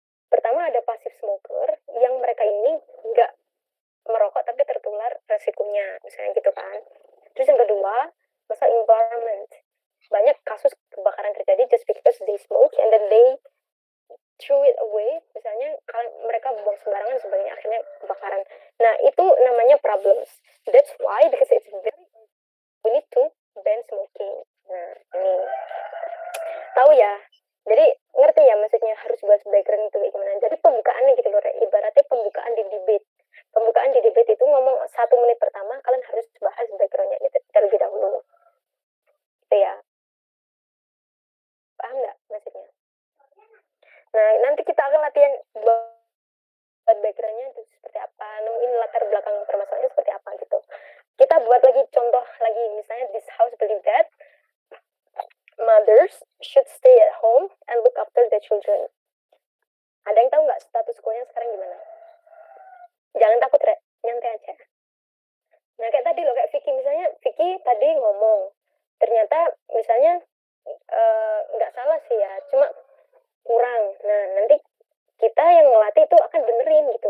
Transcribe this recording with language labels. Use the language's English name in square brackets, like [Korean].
[Indonesian] Pertama ada passive smoker yang mereka ini nggak merokok tapi tertular resikonya misalnya gitu kan. Terus yang kedua, masalah environment. Banyak kasus kebakaran terjadi [English] just because they smoke and then they [Indonesian] away, misalnya kalau mereka buang sembarangan sebagainya, akhirnya kebakaran. Nah, itu namanya problems. [English] That's why, because it's very, we need to ban smoking. [Indonesian] Nah, ini. Tahu ya? Jadi, ngerti ya maksudnya harus buat background itu kayak gimana? Jadi, pembukaannya gitu loh, ibaratnya pembukaan di debate. Pembukaan di debate itu ngomong 1 menit pertama, kalian harus bahas background-nya gitu, terlebih dahulu. Gitu ya. Paham nggak maksudnya? Nah, nanti kita akan latihan buat background-nya seperti apa, nemuin latar belakang permasalahannya seperti apa gitu. Kita buat lagi contoh lagi, misalnya [English] this house believe that mothers should stay at home and look after their children. [Indonesian] Ada yang tahu nggak status quo-nya sekarang gimana? Jangan takut, Rek. Nyantai aja. Nah, kayak tadi loh, kayak Vicky. Misalnya, Vicky tadi ngomong. Ternyata, misalnya, nggak salah sih ya, cuma kurang. Nah, nanti kita yang ngelatih itu akan benerin gitu.